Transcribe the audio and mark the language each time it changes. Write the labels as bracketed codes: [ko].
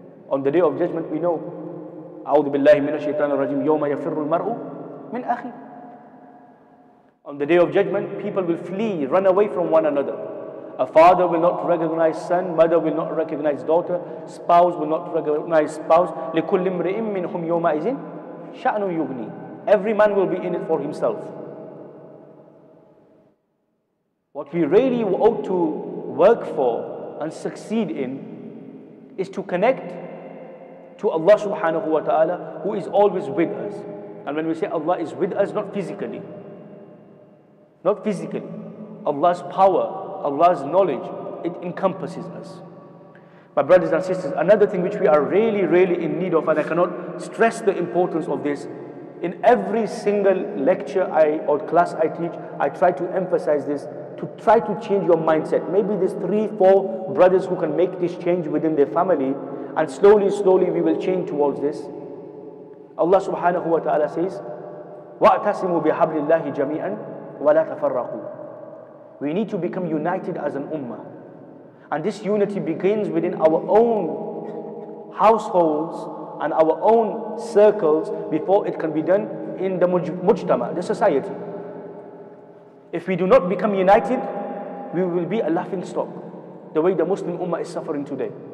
[en] On the day of judgment, we know, [ar] أعوذ بالله من الشيطان الرجيم يوم يفر المرء من أخي. [en] On the day of judgment, people will flee, run away from one another. A father will not recognize son, mother will not recognize daughter, spouse will not recognize spouse. [ar] لكل امرئ منهم يومئذ شأن يغني. [en] Every man will be in it for himself. What we really ought to work for and succeed in is to connect to Allah subhanahu wa ta'ala, who is always with us. And when we say Allah is with us, not physically. Allah's power, Allah's knowledge, it encompasses us. My brothers and sisters, another thing which we are really, really in need of, and I cannot stress the importance of this, in every single lecture or class I teach, I try to emphasize this, to try to change your mindset. Maybe there's 3-4 brothers who can make this change within their family, and slowly, slowly we will change towards this. Allah subhanahu wa ta'ala says, [ar] وَأْتَسِمُوا بِحَبْلِ اللَّهِ جَمِيعًا وَلَا تَفَرَّقُوا. [en] We need to become united as an ummah. And this unity begins within our own households and our own circles before it can be done in the mujtama, the society. If we do not become united, we will be a laughing stock, the way the Muslim ummah is suffering today.